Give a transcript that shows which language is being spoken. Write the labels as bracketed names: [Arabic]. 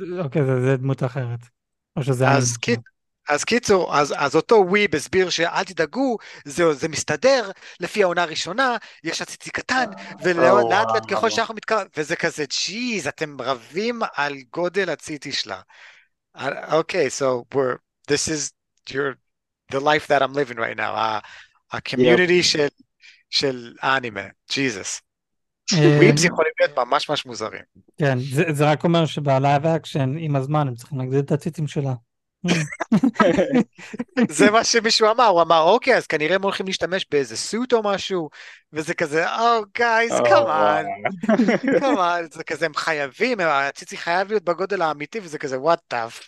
[Hebrew] אוקיי, זה דמות אחרת, או שזה אנימה. אז קיצור, אז אותו וויב הסביר שאל תדאגו, זה מסתדר, לפי העונה הראשונה, יש הציצי קטן, ולאט לאט ככל שאנחנו מתקרבים, וזה כזה, ג'יז, אתם רבים על גודל הציצי שלה. [English] אוקיי, so we're, this is your, the life that I'm living right now, a community [Hebrew] של אנימה, ג'יזוס. וויבס יכולים להיות ממש ממש מוזרים. כן, זה רק אומר שבלייב אקשן, עם הזמן, הם צריכים להגדיל את הציצים שלה. זה מה שמישהו אמר, הוא אמר אוקיי, אז כנראה הם הולכים להשתמש באיזה סוט או משהו, וזה כזה [English] או גייז, קאמן קאמן, [Hebrew] זה כזה הם חייבים, הציצי חייב להיות בגודל האמיתי, וזה כזה [English] וואט דה